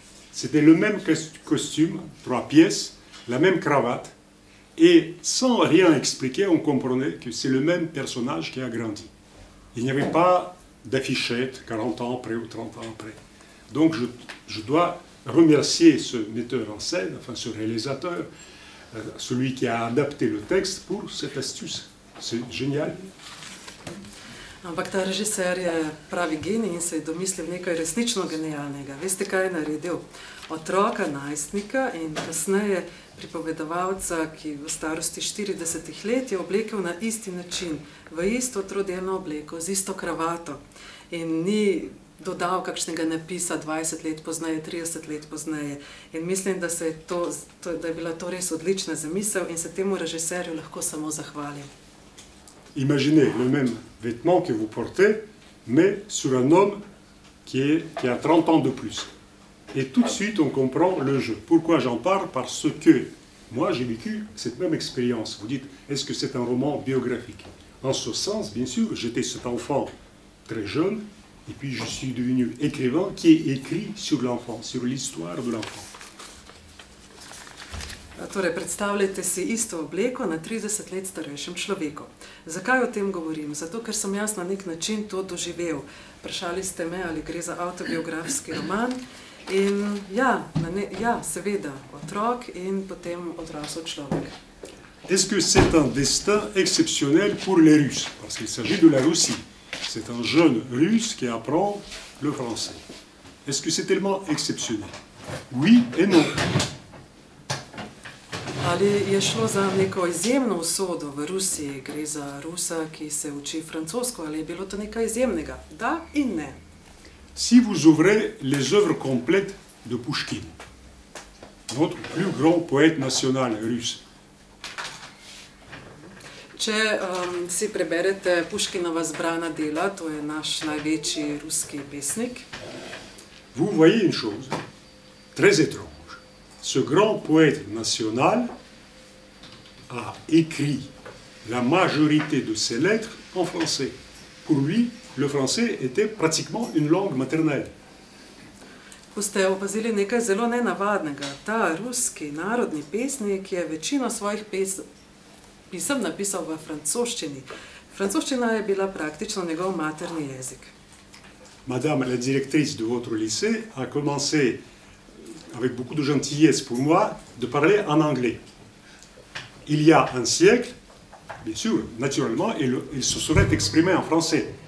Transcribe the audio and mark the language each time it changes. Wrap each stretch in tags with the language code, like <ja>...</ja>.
<fr>C'était le même costume, trois pièces, la même cravate, et sans rien expliquer, on comprenait que c'est le même personnage qui a grandi. Il n'y avait pas d'affichette 40 ans après ou 30 ans après. Donc je dois remercier ce metteur en scène, enfin ce réalisateur, celui qui a adapté le texte pour cette astuce. C'est génial.</fr> <sl>Ampak ta režiser je pravi genij in se je domislil nekaj resnično genialnega. Veste, kaj je naredil? Otroka, najstnika in kasneje pripovedovalca, ki v starosti 40 let je oblekel na isti način, v isto trodelno obleko, z isto kravato. In ni dodal kakšnega napisa 20 let pozneje, 30 let pozneje. In mislim, da se je to, da je bila to res odlična zamisel in se temu režiserju lahko samo zahvalim.</sl> <fr>Imaginez le même vêtement que vous portez, mais sur un homme qui a 30 ans de plus. Et tout de suite, on comprend le jeu. Pourquoi j'en parle? Parce que moi, j'ai vécu cette même expérience. Vous dites, est-ce que c'est un roman biographique? En ce sens, bien sûr, j'étais cet enfant très jeune, et puis je suis devenu écrivain qui est écrit sur l'enfant, sur l'histoire de l'enfant.</fr> <sl>Torej, predstavljajte si isto obleko na 30 let starejšem človeku. Zakaj o tem govorim? Zato, ker sem jaz na nek način to doživel. Vprašali ste me, ali gre za autobiografski roman. In ja, seveda, otrok in potem odrasel človek.</sl> <fr>Est-ce que c'est un destin exceptionnel pour les Russes? Parce qu'il s'agit de la Russie. C'est un jeune russe qui apprend le français. Est-ce que c'est tellement exceptionnel? Oui et non.</fr> <sl>Ali je šlo za neko izjemno usodo v Rusiji, gre za Rusa, ki se uči francosko, ali je bilo to nekaj izjemnega? Da in ne.</sl> <fr>Si vous ouvrez les œuvres complètes de Pushkin, notre plus grand poète national russe.</fr> <sl>Če si preberete Puškinova zbrana dela, to je naš največji ruski pesnik.</sl> <fr>Vous voyez une chose très étrange. Ce grand poète national a écrit la majorité de ses lettres en français. Pour lui, le français était pratiquement une langue maternelle.</fr> <sl>ko ste opazili nekaj zelo nenavadnega. Ta ruski narodni pesnik je večino svojih pisem napisal v francoščini. Francoščina je bila praktično njegov materni jezik.</sl> <fr>Madame la directrice de votre lycée a commencé avec beaucoup de gentillesse pour moi de parler en anglais. Il y a un siècle, bien sûr, naturellement, il se serait exprimé en français.</fr>